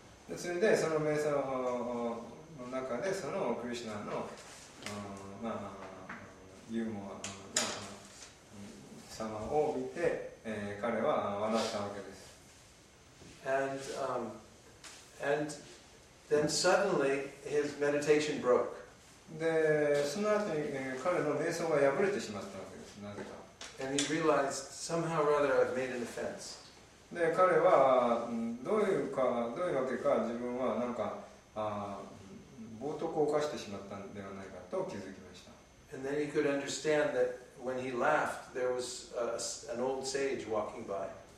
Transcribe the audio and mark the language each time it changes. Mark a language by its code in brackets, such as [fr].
[ja] で、それでその瞑想の中でそのクリシュナの、まあ、ユーモア、様を見て、彼は笑ったわけです。 [en] And then suddenly his meditation broke. [ja] で、その後に、彼の瞑想が破れてしまったわけです、なぜか。 [en] And he realized, somehow or other, I've made an offense. [ja] で、彼はどういうわけか、自分はなんか、冒涜を犯してしまったのではないかと気づきました。 [en] And then he could understand that when he laughed, there was an old sage walking by.